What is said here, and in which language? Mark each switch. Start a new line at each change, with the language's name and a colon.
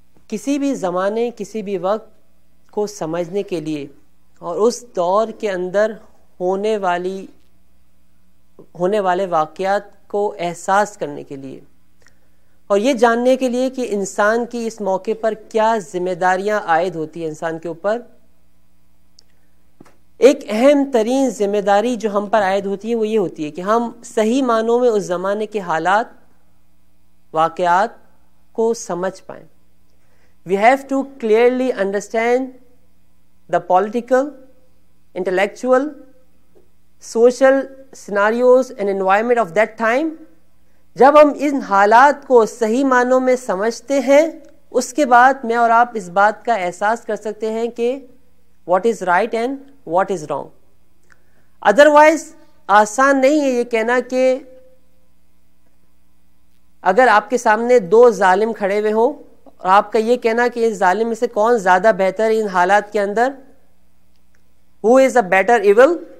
Hindi: किसी भी ज़माने किसी भी वक्त को समझने के लिए और उस दौर के अंदर होने वाले वाक़ियात को एहसास करने के लिए और ये जानने के लिए कि इंसान की इस मौके पर क्या ज़िम्मेदारियाँ आयद होती हैं इंसान के ऊपर, एक अहम तरीन ज़िम्मेदारी जो हम पर आयद होती है वो ये होती है कि हम सही मानों में उस ज़माने के हालात वाक़ियात को समझ पाएँ.
English: We have to clearly understand the political, intellectual, social scenarios and environment of that time.
Hindi: जब हम इन हालात को सही मानों में समझते हैं, उसके बाद मैं और आप इस बात का एहसास कर सकते हैं कि
English: what is right and what is wrong. Otherwise,
Hindi: आसान नहीं है ये कहना कि अगर आपके सामने दो जालिम खड़े हुए हो और आपका ये कहना कि इस जालिम में से कौन ज्यादा बेहतर है इन हालात के अंदर,
English: who is a better evil,